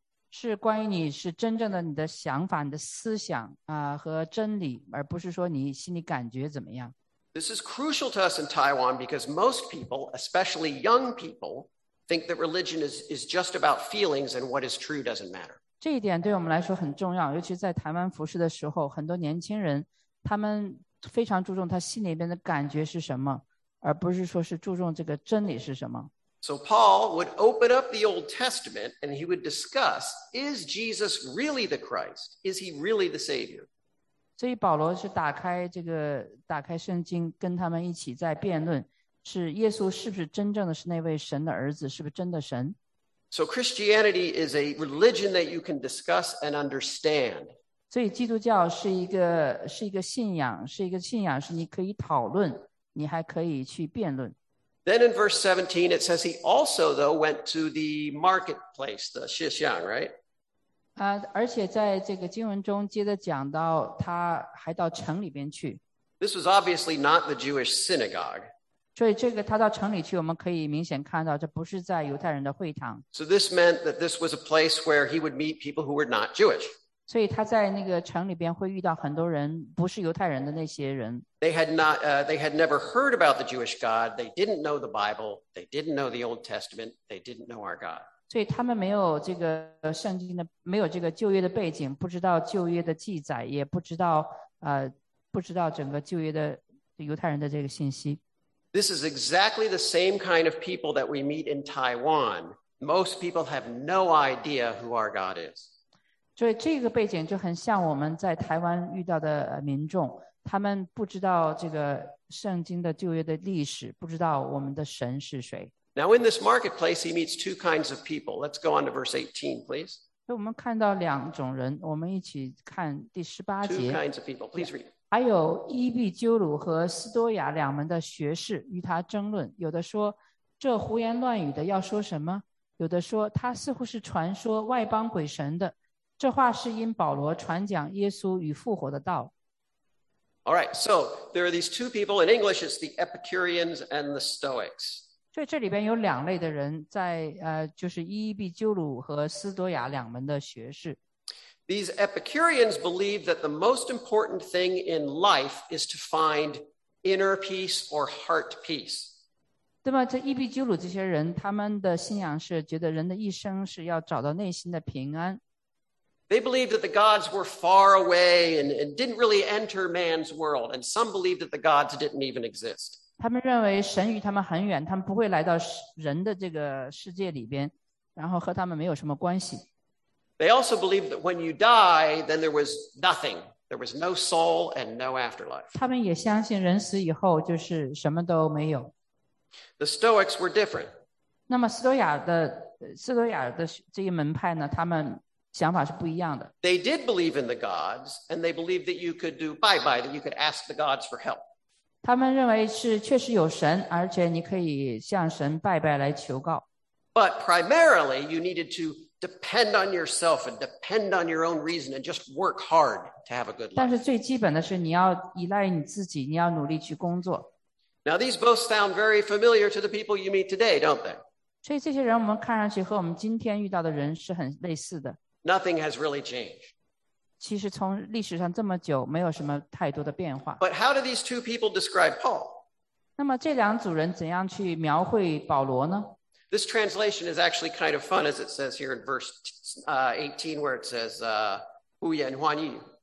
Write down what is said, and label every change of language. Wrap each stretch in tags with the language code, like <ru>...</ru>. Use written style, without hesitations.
<zh>是关于你是真正的你的想法、你的思想和真理，而不是说你心里感觉怎么样。</zh> <en>This is crucial to us in Taiwan because most people, especially young people, think that religion is just about feelings and what is true doesn't matter.</en> <zh>这一点对我们来说很重要，尤其在台湾服事的时候，很多年轻人他们非常注重他心里边的感觉是什么，而不是说是注重这个真理是什么。</zh> <en>So Paul would open up the Old Testament and he would discuss, is Jesus really the Christ? Is he really the Savior?</en> <zh>所以保罗是打开圣经跟他们一起在辩论，是耶稣是不是真正的是那位神的儿子，是不是真的神。</zh> <en>So Christianity is a religion that you can discuss and understand.</en> <zh>所以基督教是一个信仰，是一个信仰，是你可以讨论，你还可以去辩论。</zh> <en>Then in verse 17, it says he also, though, went to the marketplace, the Shishang, right?</en> <zh>而且在这个经文中接着讲到，他还到城里边去。</zh> <en>This was obviously not the Jewish synagogue.</en> <zh>所以这个他到城里去，我们可以明显看到，这不是在犹太人的会堂。</zh> <en>So this meant that this was a place where he would meet people who were not Jewish.</en> <zh>所以他在那个城里边会遇到很多人，不是犹太人的那些人。</zh> <en>They had never heard about the Jewish God. They didn't know the Bible. They didn't know the Old Testament. They didn't know our God.</en> <zh>所以他们没有这个圣经的，没有这个旧约的背景，不知道旧约的记载，也不知道整个旧约的犹太人的这个信息。</zh> <en>This is exactly the same kind of people that we meet in Taiwan. Most people have no idea who our God is.</en> <zh>所以这个背景就很像我们在台湾遇到的民众，他们不知道这个圣经的旧约的历史，不知道我们的神是谁。</zh> <en>Now in this marketplace, he meets two kinds of people. Let's go on to verse 18, please.</en> <zh>所以我们看到两种人，我们一起看第十八节。</zh> <en>Two kinds of people, please read.</en> <zh>还有伊壁鸠鲁和斯多亚两门的学士与他争论，有的说这胡言乱语的要说什么，有的说他似乎是传说外邦鬼神的，这话是因保罗传讲耶稣与复活的道。</zh> <en>All right, so there are these two people. In English, it's the Epicureans and the Stoics.</en> <zh>所以这里边有两类的人在，就是伊壁鸠鲁和斯多亚两门的学士。</zh> <en>These Epicureans believe that the most important thing in life is to find inner peace or heart peace.</en> <zh>对吧，这伊壁鸠鲁这些人，他们的信仰是觉得人的一生是要找到内心的平安。</zh> <en>They believed that the gods were far away and didn't really enter man's world. And some believed that the gods didn't even exist.</en> <zh>他们认为神与他们很远，他们不会来到人的这个世界里边，然后和他们没有什么关系。</zh> <en>They also believed that when you die, then there was nothing. There was no soul and no afterlife.</en> <zh>他们也相信人死以后就是什么都没有。</zh> <en>The Stoics were different.</en> <zh>那么斯多亚的这一门派呢，他们想法是不一样的。</zh> <en>They did believe in the gods, and they believed that you could do bye-bye, that you could ask the gods for help.</en> <zh>他们认为是确实有神，而且你可以向神拜拜来求告。</zh> <en>But primarily, you needed to depend on yourself and depend on your own reason and just work hard to have a good life.</en> <zh>但是最基本的是你要依赖你自己，你要努力去工作。</zh> <en>Now these both sound very familiar to the people you meet today, don't they?</en> <zh>所以这些人我们看上去和我们今天遇到的人是很类似的。</zh> <en>Nothing has really changed.</en> <zh>其实从历史上这么久，没有什么太多的变化。</zh> <en>But how do these two people describe Paul?</en> <zh>那么这两组人怎样去描绘保罗呢？</zh> <en>This translation is actually kind of fun, as it says here in verse 18, where it says,</en> <zh>胡言乱语。</zh>